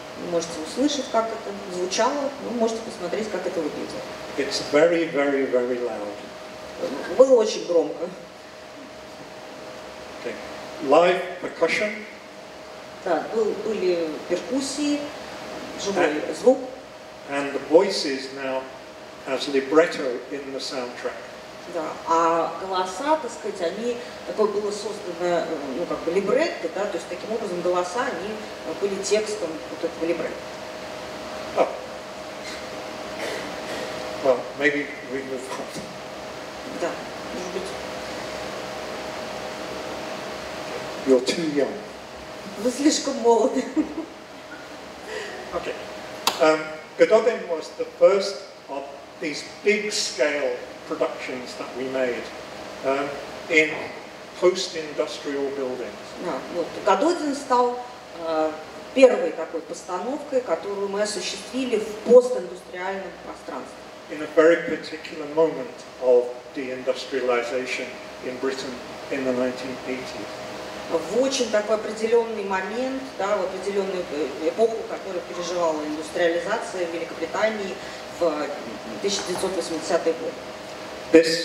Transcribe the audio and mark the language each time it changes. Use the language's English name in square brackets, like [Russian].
[Russian] Можете услышать, как это звучало. Вы можете посмотреть, как это выглядело. [English] It's very, very, very loud. [Russian] Было очень громко. [English] Okay. Live percussion. [Russian] Так, были перкуссии, живой звук. [English] And the voices now as libretto in the soundtrack. [Russian] Да, а голоса, так сказать, они, такое было создано, ну, как бы либретто, да, то есть таким образом голоса, они были текстом вот этого либретто. [English] Oh. Well, maybe we move on. [Russian] Да, может быть. [English] You're too young. [Russian] Вы слишком молоды. [English] Okay. Gododin was the first of these big-scale productions that we made in post-industrial buildings. [Russian] Gododin стал первой такой постановкой, которую мы осуществили в постиндустриальном пространстве. [English] In a very particular moment of deindustrialization in Britain in the 1980s. [Russian] В очень такой определенный момент, да, в определенную эпоху, которую переживала индустриализация в Великобритании в 1980-е годы.